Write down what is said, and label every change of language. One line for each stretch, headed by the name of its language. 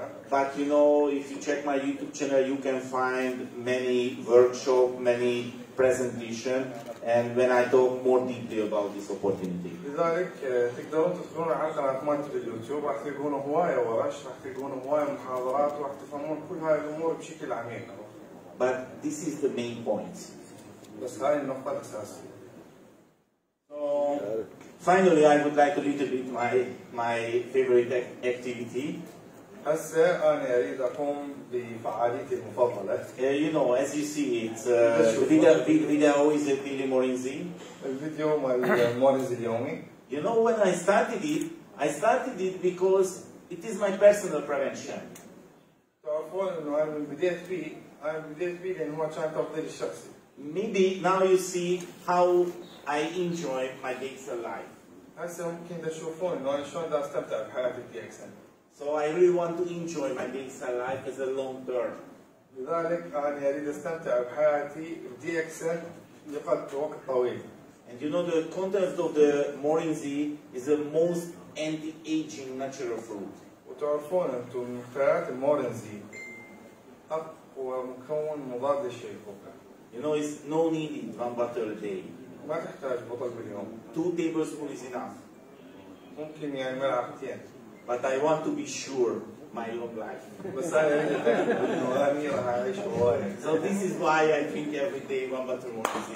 English: But you know, if you check my YouTube channel, you can find many workshop, many presentation, and when I talk more deeply about this opportunity.
Arabic: لذلك تقدرون تدخلون على قناة اليوتيوب راح تلقون هواية ورش راح تلقون هواية محاضرات راح تفهمون كل هاي الأمور بشكل عميق.
English: But this is the main point.
Arabic: بس هاي النقطة الأساسية.
English: Finally, I would like a little bit my favorite activity.
Arabic: هسه أنا أريد أقوم بفعاليتي المفضلة.
English: You know, as you see, it's video is a daily morning.
Arabic: الفيديو مال مورينزي اليومي.
English: You know, when I started it because it is my personal prevention.
Arabic: تعرفون إنه أنا بديت فيه لأن هو كان تفضيل الشخصي.
English: Maybe now you see how I enjoy my digital life.
Arabic: هسه ممكن تشوفون إنه أنا شلون استمتع بحياتي الديجيتال.
English: So I really want to enjoy my digital life as a long term.
Arabic: لذلك أنا أريد استمتع بحياتي الديجيتال لفترة وقت طويل.
English: And you know the contents of the Morinzi is the most anti-aging natural fruit.
Arabic: وتعرفون أنتم مخترعات المورينزي أقوى مكون مضاد للشيخوخة.
English: You know, it's no need in 1 bottle a day.
Arabic: ما تحتاج بطل باليوم.
English: 2 tablespoons is enough.
Arabic: ممكن يعني ملعقتين.
English: But I want to be sure my long life.
Arabic: بس أنا أريد أتأكد إنه أني راح أعيش هواية.
English: So this is why I drink every day 1 bottle more.